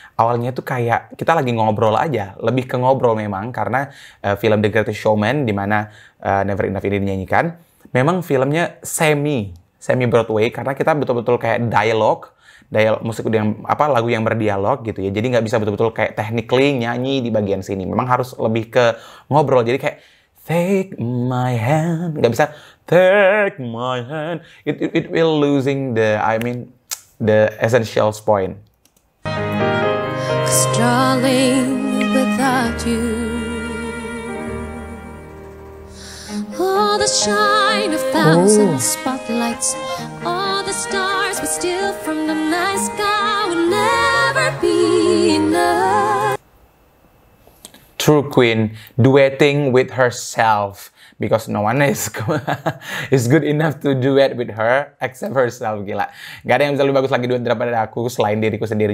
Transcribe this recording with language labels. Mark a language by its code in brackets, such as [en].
[id] Awalnya tuh kayak kita lagi ngobrol aja, lebih ke ngobrol memang, karena film The Greatest Showman di mana Never Enough ini dinyanyikan, memang filmnya semi Broadway, karena kita betul-betul kayak dialog musik yang apa, lagu yang berdialog gitu ya. Jadi nggak bisa betul-betul kayak technically nyanyi di bagian sini. Memang harus lebih ke ngobrol. Jadi kayak [en] take my hand, [id] nggak bisa [en] take my hand. It will losing the, I mean, the essentials point. Struggling without you, all the shine of thousand spotlights, all the stars we steal from the night sky will never be enough. True queen duetting with herself, because no one is good enough to duet with her except herself. [id] Gila, gak ada yang bisa lebih bagus lagi duet daripada aku selain diriku sendiri.